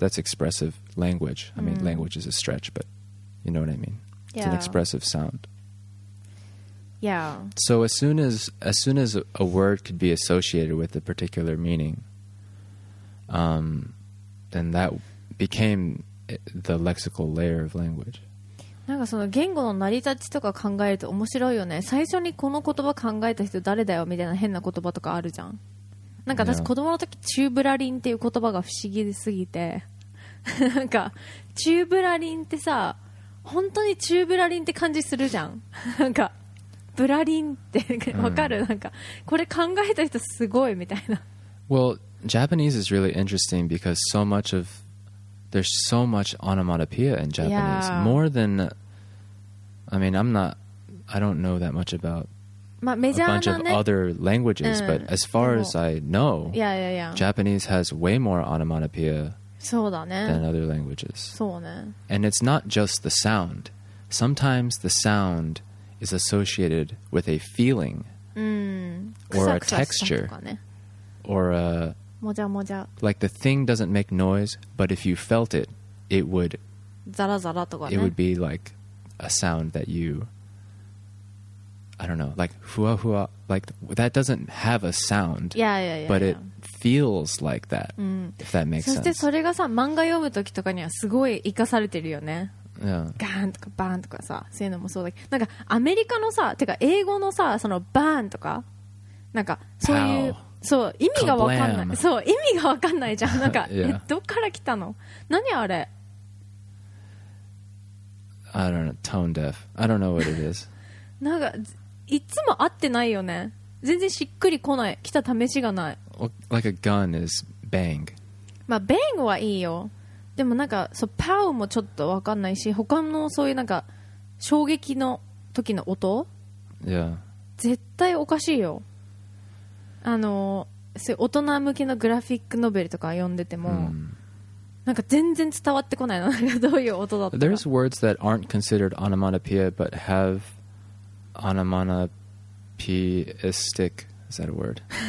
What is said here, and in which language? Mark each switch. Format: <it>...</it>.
<en>That's expressive language. I mean, language is a stretch, but you know what I mean. Yeah. It's an expressive sound. Yeah. So as soon as a word could be associated with a particular meaning, then that became the lexical layer of language.</en> <ja>なんかその言語の成り立ちとか考えると面白いよね。最初にこの言葉考えた人誰だよみたいな変な言葉とかあるじゃん。なんか私子供の時チューブラリンっていう言葉が不思議すぎてなんかチューブラリンってさ本当にチューブラリンって感じするじゃん。なんかブラリンってわかる、うん、なんかこれ考えた人すごいみたいな。</ja> <en>Well, Japanese is really interesting because so much ofThere's so much onomatopoeia in Japanese. Yeah. More than... I mean, I'm not... I don't know that much about a bunch of other languages, but as far as I know, Japanese has way more onomatopoeia than other languages. And it's not just the sound. Sometimes the sound is associated with a feeling or a texture or a...</en> <ja>もじゃもじゃ</ja> <en>like the thing doesn't make noise, but if you felt it, it would.</en> <ja>ザラザラとかね。</ja> <en>It would be like a sound that you. I don't know, like</en> <ja>ふわふわ</ja> <en>like that doesn't have a sound. Yeah, yeah, yeah. But it feels like that.、</en> <ja>うん、</ja> <en>if that makes sense.</en> <ja>そしてそれがさ、漫画読むときとかにはすごい活かされてるよね。</ja> <en>Yeah.</en> <ja>ガーンとかバーンとかさ、そういうのもそうだけど、なんかアメリカのさ、てか英語のさ、そのバーンとか、なんかそういう。</ja> <en>Pow.</en> <ja>そう意味が分かんない。そう意味が分かんないじゃん。なんか、</ja> <en>yeah.</en> <ja>どっから来たの？何あれ</ja> <en>？I don't know. Tone deaf. I don't know what it is.</en> <ja>なんかいつも合ってないよね。全然しっくり来ない。来た試しがない。</ja> <en>Like a gun is bang.</en> <ja>まあ bang はいいよ。でもなんかそう pow もちょっと分かんないし、他のそういうなんか衝撃の時の音？</ja> <en>Yeah.</en> <ja>絶対おかしいよ。あのそういう大人向けのグラフィックノベルとか読んでても、うん、なんか全然伝わってこないのどういう音だったか。</ja> <en>There's words that aren't considered onomatopoeia but have onomatopoeistic, is that a word?</en>